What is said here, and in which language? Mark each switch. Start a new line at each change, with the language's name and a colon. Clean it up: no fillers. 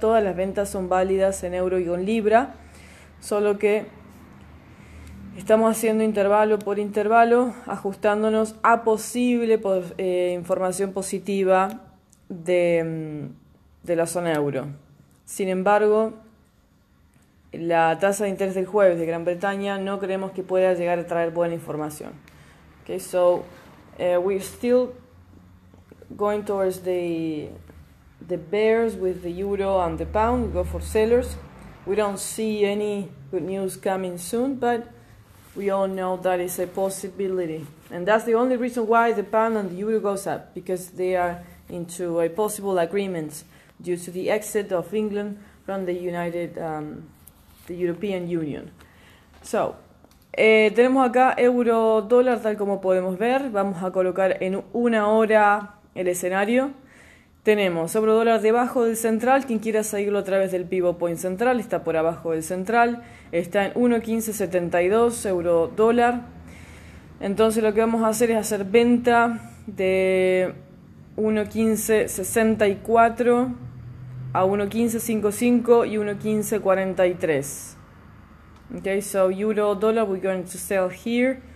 Spanish: Todas las ventas son válidas en euro y en libra. Solo que estamos haciendo intervalo por intervalo, ajustándonos a posible información positiva de la zona euro. Sin embargo, la tasa de interés del jueves de Gran Bretaña no creemos que pueda llegar a traer buena información.
English: Okay, so we're still going towards the bears with the euro and the pound. We go for sellers. We don't see any good news coming soon, but we all know that is a possibility. And that's the only reason why the pound and the euro goes up, because they are into a possible agreement due to the exit of England from the European Union.
Spanish: So, tenemos acá euro dólar tal como podemos ver. Vamos a colocar en una hora el escenario. Tenemos euro dólar debajo del central. Quien quiera seguirlo a través del pivot point central, está por abajo del central. Está en 1.1572 euro dólar. Entonces lo que vamos a hacer es hacer venta de 1.1564 a 1.1555 y 1.1543.
English: Okay, so euro dólar, we're going to sell here.